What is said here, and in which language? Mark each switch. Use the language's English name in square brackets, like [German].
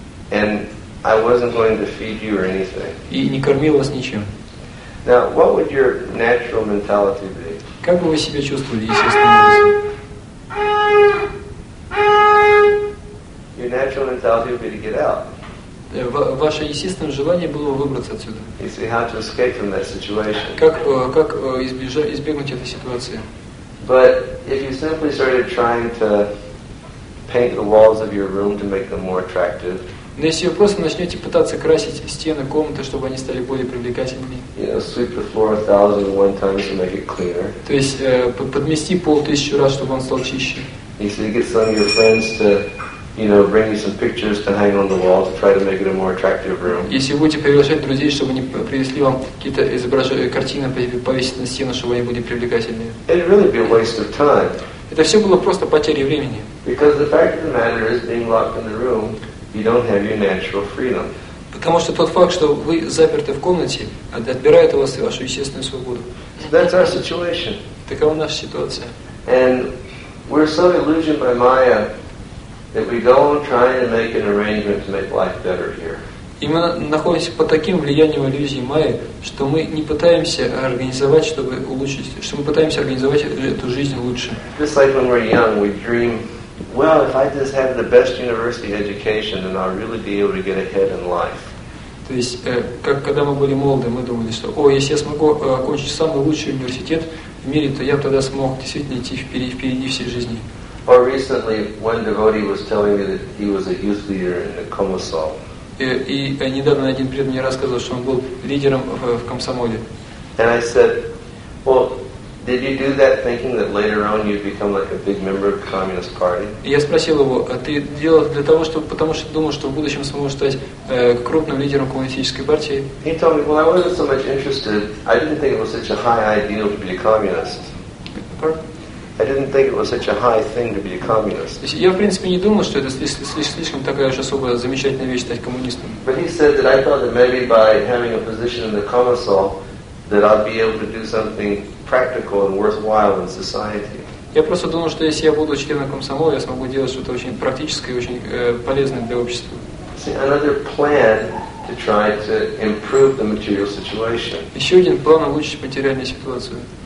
[English] And I wasn't going to feed you or anything. [Russian] И не кормил вас ничем. [English] Now, what would your natural mentality be? [Russian] Как бы вы себя чувствовали, если остановились? [English] Your natural mentality would be to get out. [Russian] Ваше естественное желание было выбраться отсюда. [English] You see, how to escape from that situation. [Russian] Как избегнуть этой ситуации? [English] But if you simply started trying to paint the walls of your room to make them more attractive. [Russian] Но если вы просто начнете пытаться красить стены комнаты, чтобы они стали более привлекательными. [English] You know, sweep the floor 1,001 times to make it cleaner. [Russian] То есть подмести пол 1,000 раз, чтобы он стал чище. [English] You see, get some of your friends to, you know, bring you some pictures to hang on the wall to try to make it a more attractive room. [Russian] Если будете приглашать друзей, чтобы они привезли вам какие-то изображения, картины повесить на стену, чтобы они были привлекательнее. [English] It'd really be a waste of time. [Russian] Это все было просто потеря времени. [English] Because the fact of the matter is, being locked in the room, you don't have your natural freedom. [Russian] Потому что тот факт, что вы заперты в комнате, отбирает у вас вашу естественную свободу. [English] That's our situation. [Russian] Такова наша ситуация. [English] And we're so illusioned by Maya. If we go on trying to make an arrangement to make life better here. [Russian] И мы находимся под таким влиянием иллюзии Майи, что мы не пытаемся организовать, чтобы улучшить, что мы пытаемся организовать эту жизнь лучше. [English] Just like when we're young, we dream, well, if I just have the best university education, then I'll really be able to get ahead in life. [Russian] То есть, как когда мы были молоды, мы думали, что, о, если я смогу окончить самый лучший университет в мире, то я тогда смог действительно идти впереди всей жизни. [English] Or recently, one devotee was telling me that he was a youth leader in the Komsomol. [Russian] И недавно один преданный мне рассказывал, что он был лидером в Комсомоле. [English] And I said, "Well, did you do that thinking that later on you'd become like a big member of the Communist Party?" [Russian] Я спросил его, а ты делал для того, чтобы, потому что думал, что в будущем сможешь стать крупным лидером коммунистической партии? [English] He told me, "Well, I wasn't so much interested. I didn't think it was such a high ideal to be a communist." I didn't think it was such a high thing to be a communist. [Russian] Я в принципе не думал, что это слишком такая уж особо замечательная вещь стать коммунистом. [English] But he said that I thought that maybe by having a position in the Komsomol, that I'd be able to do something practical and worthwhile in society. [Russian] Я просто думал, что если я буду членом Комсомола, я смогу делать что-то очень практическое и очень полезное для общества. [English] See, another plan to try to improve the material situation. [Russian] Еще один план улучшить материальную ситуацию.